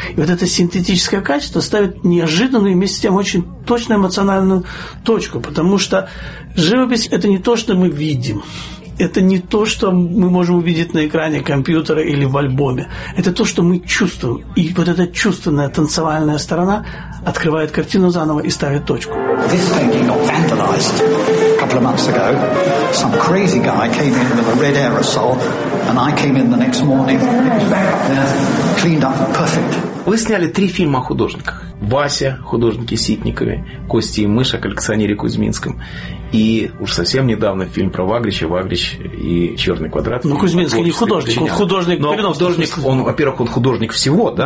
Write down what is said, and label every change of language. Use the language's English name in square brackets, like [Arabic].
[Russian] И вот это синтетическое качество ставит неожиданную и вместе с тем очень точную эмоциональную точку, потому что живопись – это не то, что мы видим. Это не то, что мы можем увидеть на экране компьютера или в альбоме. Это то, что мы чувствуем. И вот эта чувственная танцевальная сторона открывает картину заново и ставит точку. [English] This painting got vandalized a couple of months ago. Some crazy guy came in with a red aerosol, and I came in the next morning. Cleaned up perfect. [Russian] Вы сняли три фильма о художниках. Вася, художники Ситникове, Кости и мышь о коллекционере Кузьминском. И уж совсем недавно фильм про Вагрича, Вагрич и Черный квадрат. Ну, Кузьминский не художник, он художник. Но художник, он, во-первых, он художник всего, да?